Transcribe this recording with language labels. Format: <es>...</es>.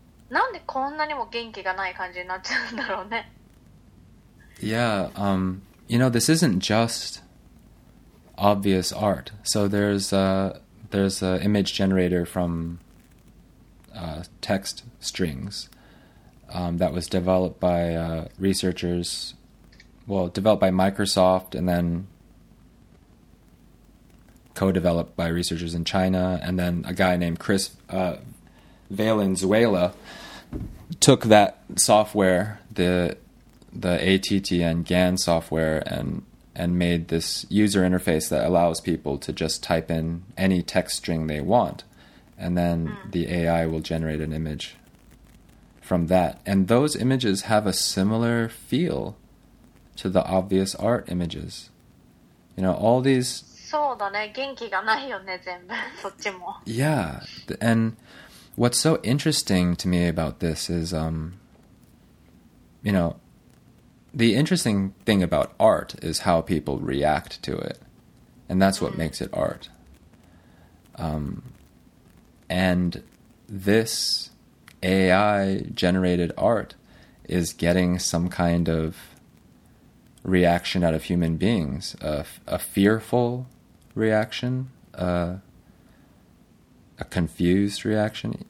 <ja>なんでこんなにも元気がない感じになっちゃうんだろうね。</ja> <en>Yeah, you know, this isn't just obvious art. So there's a image generator from text strings that was developed by researchers, well, developed by Microsoft and then co-developed by researchers in China, and then a guy named Chris Valenzuela took that software, the ATTN GAN software, and made this user interface that allows people to just type in any text string they want, and then the AI will generate an image from that. And those images have a similar feel to the obvious art images. You know, all these...</en> <ja>そうだね、元気がないよね、全部、そっちも。</ja> <en>Yeah, and what's so interesting to me about this is, you know, the interesting thing about art is how people react to it. And that's what makes it art. And this AI-generated art is getting some kind of reaction out of human beings, a fearful reaction, a confused reaction.</en>